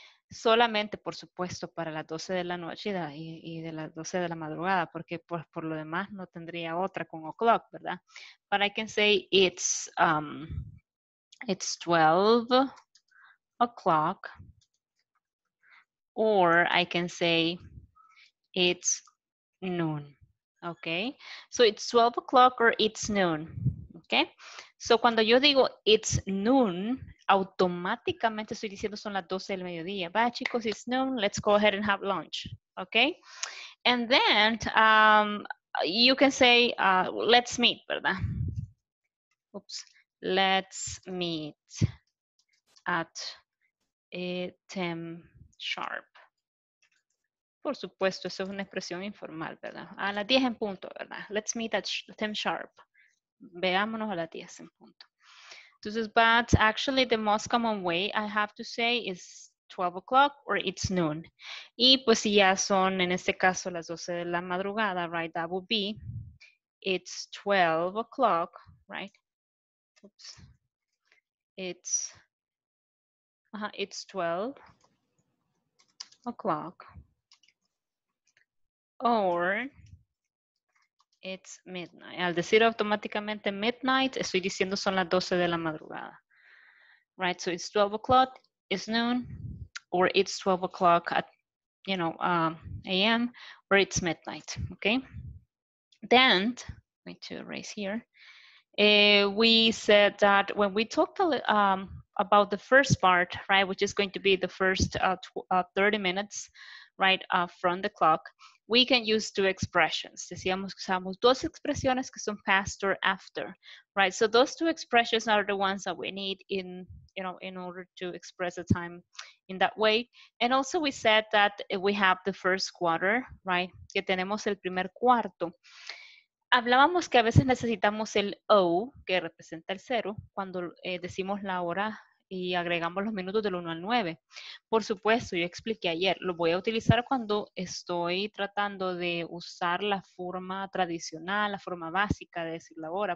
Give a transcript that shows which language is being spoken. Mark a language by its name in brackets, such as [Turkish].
[Spanish] Solamente, por supuesto, para las 12 de la noche y de las 12 de la madrugada, porque pues por lo demás no tendría otra con o'clock, ¿verdad? [English] But I can say it's 12 o'clock, or I can say it's noon, okay? So it's 12 o'clock or it's noon, okay? So [Spanish] cuando yo digo [English] it's noon, [Spanish] automáticamente estoy diciendo son las 12 del mediodía. Va, chicos, [English] it's noon. Let's go ahead and have lunch. Okay? And then you can say, let's meet, [Spanish] ¿verdad? [English] Oops. Let's meet at 10 sharp. [Spanish] Por supuesto, eso es una expresión informal, ¿verdad? A las 10 en punto, ¿verdad? [English] Let's meet at 10 sharp. [Spanish] Veámonos a las 10 en punto. Entonces, [English] but actually the most common way I have to say is 12 o'clock or it's noon. [Spanish] Y pues si ya son, en este caso, las 12 de la madrugada, [English] right? That would be, it's 12 o'clock, right? Oops. It's 12 o'clock or it's midnight. [Spanish] Al decir automáticamente [English] midnight, [Spanish] estoy diciendo son las 12 de la madrugada. [English] Right, so it's 12 o'clock, it's noon, or it's 12 o'clock at, you know, a.m., or it's midnight, okay? Then, I'm going to erase here. We said that when we talked about the first part, right, which is going to be the first 30 minutes, right, from the clock, we can use two expressions. [Spanish] Decíamos que usamos dos expresiones que son [English] past or after, right? So those two expressions are the ones that we need in, you know, in order to express the time in that way. And also we said that we have the first quarter, right? [Spanish] Que tenemos el primer cuarto. Hablábamos que a veces necesitamos el O, que representa el cero, cuando decimos la hora y agregamos los minutos del 1 al 9. Por supuesto, yo expliqué ayer, lo voy a utilizar cuando estoy tratando de usar la forma tradicional, la forma básica de decir la hora.